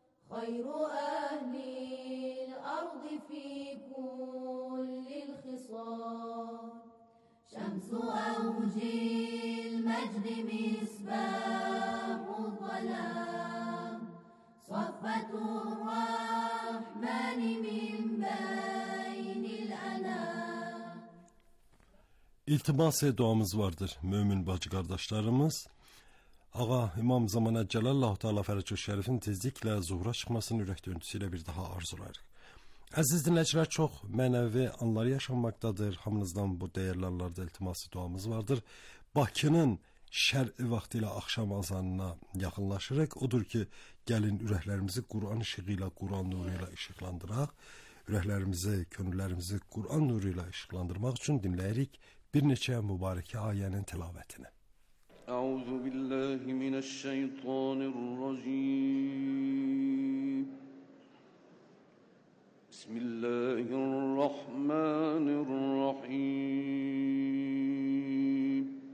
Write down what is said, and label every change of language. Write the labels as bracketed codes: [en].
[ar] خير أهل الأرض في كل الخصال شمس أوج المجد مصباح الظلام صفة الرحمن من بين الأنام [az] İltimas-ı duamız vardır mümin bacı kardeşlerimiz. Ağa İmam Zamana Celallahu Teala Ferecu Şerif'in tezlikle zuhura çıkmasını yürek döntüsüyle bir daha arzulayarak. Aziz dinleyiciler çok menevi anları yaşanmaktadır. Hamınızdan bu değerlerlerde iltiması duamız vardır. Bakının şer'i vaktiyle akşam azanına yakınlaşarak odur ki gelin yüreklerimizi Kur'an ışığıyla, Kur'an nuruyla ışıklandırarak yüreklerimizi, könüllerimizi Kur'an nuruyla ışıklandırmak için dinleyerek bir neçe mübareke ayenin tilavetini. [ar] أعوذ بالله من الشيطان الرجيم بسم الله الرحمن الرحيم